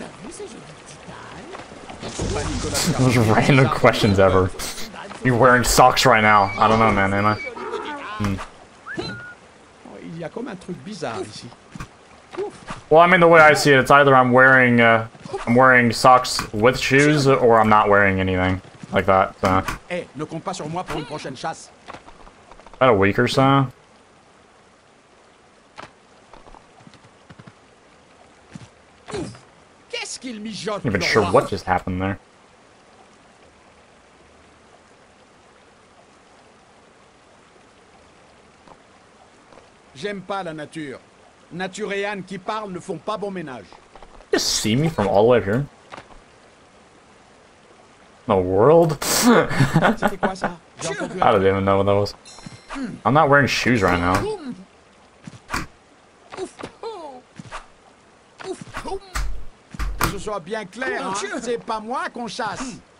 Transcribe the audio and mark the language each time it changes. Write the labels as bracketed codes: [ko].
[en] Those random questions ever. You're wearing socks right now. I don't know, man, am I? Well, I mean, the way I see it, it's either I'm wearing socks with shoes, or I'm not wearing anything like that. [fr] Hey, ne compte pas sur moi pour une prochaine chasse. [en] About a week or so. I'm not even sure what just happened there. [fr] J'aime pas la nature. Nature et Anne qui parlent ne font pas bon ménage. [en] Just see me from all the way here. the world? [fr] C'était quoi ça? [en] I don't even know what that was. I'm not wearing shoes right now. [fr] Que ce soit bien clair, hein? C'est pas moi qu'on chasse.